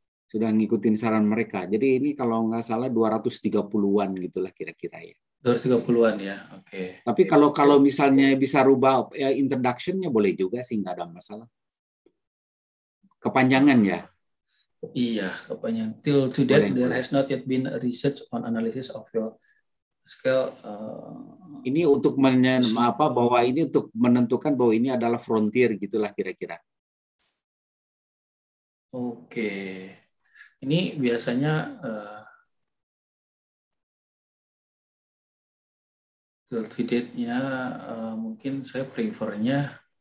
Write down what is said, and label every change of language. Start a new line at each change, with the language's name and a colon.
Indonesian: Sudah ngikutin saran mereka. Jadi ini kalau nggak salah 230-an gitulah kira-kira ya. 230-an ya, oke. Okay. Tapi kalau misalnya bisa rubah ya, introduction-nya boleh juga sih, nggak ada masalah. Kepanjangan ya? Iya, kepanjangan.
English: Till to date, there has not yet been research on analysis of fuel scale.
Indonesian: Ini untuk menentukan bahwa ini adalah frontier gitulah kira-kira. Oke. Ini biasanya till to date-nya mungkin saya prefernya.